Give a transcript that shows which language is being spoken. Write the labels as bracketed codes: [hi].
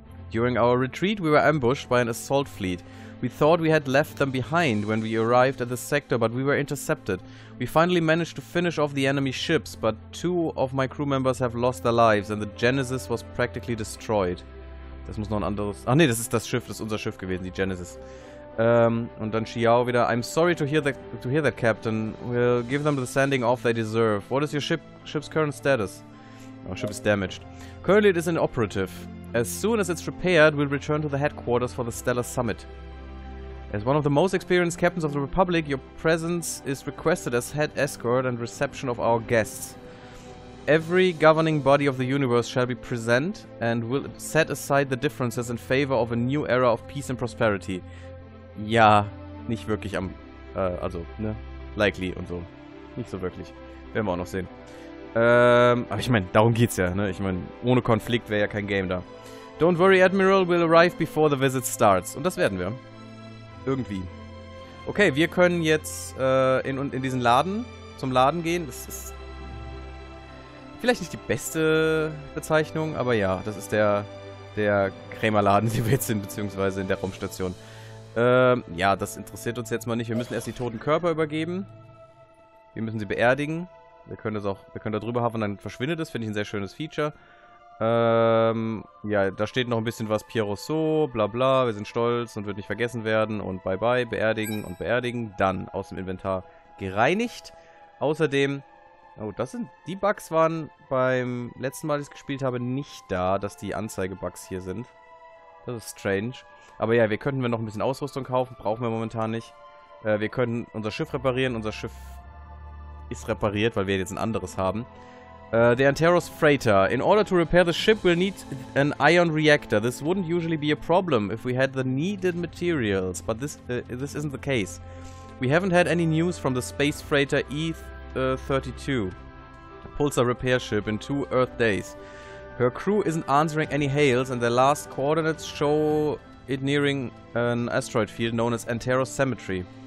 [en] During our retreat, we were ambushed by an assault fleet. We thought we had left them behind when we arrived at the sector, but we were intercepted. We finally managed to finish off the enemy ships, but 2 of my crew members have lost their lives and the Genesis was practically destroyed. [de] Das muss noch ein anderes... Ach nee, das ist das Schiff, das ist unser Schiff gewesen, die Genesis. Und dann Xiao wieder. [en] I'm sorry to hear that, Captain. We'll give them the sending off they deserve. What is your ship's current status? Our ship is damaged. Currently it is inoperative. As soon as it's repaired, we'll return to the headquarters for the Stellar Summit. As one of the most experienced captains of the Republic, your presence is requested as head escort and reception of our guests. Every governing body of the universe shall be present and will set aside the differences in favor of a new era of peace and prosperity. [de] Ja, nicht wirklich am, also, ne, likely und so. Nicht so wirklich. Werden wir auch noch sehen. Aber ich meine, darum geht's ja, ne? Ich meine, ohne Konflikt wäre ja kein Game da. [en] Don't worry, Admiral, we'll arrive before the visit starts. [de] Und das werden wir. Irgendwie. Okay, wir können jetzt in diesen Laden, zum Laden gehen. Das ist vielleicht nicht die beste Bezeichnung, aber ja, das ist der Krämerladen, den wir jetzt sind, beziehungsweise in der Raumstation. Ja, das interessiert uns jetzt mal nicht. Wir müssen erst die toten Körper übergeben. Wir müssen sie beerdigen. Wir können da drüber haben, dann verschwindet es. Finde ich ein sehr schönes Feature. Ja, da steht noch ein bisschen was. Pierre Rousseau, bla bla, wir sind stolz und wird nicht vergessen werden. Und bye bye, beerdigen und beerdigen. Dann aus dem Inventar gereinigt. Außerdem, oh, das sind, die Bugs waren beim letzten Mal, als ich es gespielt habe, nicht da, dass die Anzeige-Bugs hier sind. Das ist strange. Aber ja, wir könnten noch ein bisschen Ausrüstung kaufen, brauchen wir momentan nicht. Wir könnten unser Schiff reparieren, unser Schiff ist repariert, weil wir jetzt ein anderes haben. [en] The Anteros Freighter. In order to repair the ship, we'll need an ion reactor. This wouldn't usually be a problem if we had the needed materials, but this isn't the case. We haven't had any news from the space freighter E-32, pulsar repair ship, in 2 Earth days. Her crew isn't answering any hails, and their last coordinates show it nearing an asteroid field known as Anteros Cemetery.